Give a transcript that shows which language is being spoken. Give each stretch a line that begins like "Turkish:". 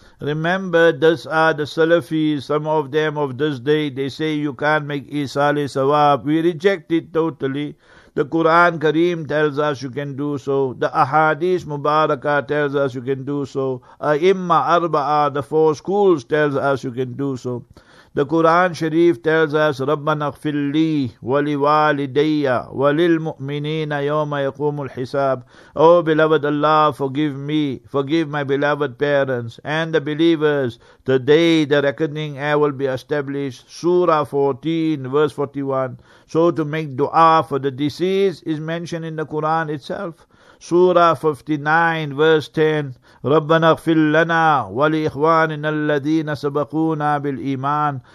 English: Remember, these are the Salafis, some of them of this day, they say you can't make Isale Sawab. We reject it totally. The Quran Kareem tells us you can do so. The Ahadith Mubarakah tells us you can do so. Imma Arba'a, the four schools, tells us you can do so. The Quran Sharif tells us,
Arabic: رَبَّنَا اغْفِرْ لِي وَلِوَالِدَيَّ وَلِلْمُؤْمِنِينَ يَوْمَ يَقُومُ الْحِسَابُ.
English: O beloved Allah, forgive me, forgive my beloved parents and the believers, the day the reckoning hour will be established. Surah 14, verse 41. So to make dua for the deceased is mentioned in the Quran itself. Surah 59, verse 10.
Arabic: رَبَّنَا اغْفِرْ لَنَا وَلِإِخْوَانِنَا الَّذِينَ سَبَقُونَا بِالْإِيمَانِ.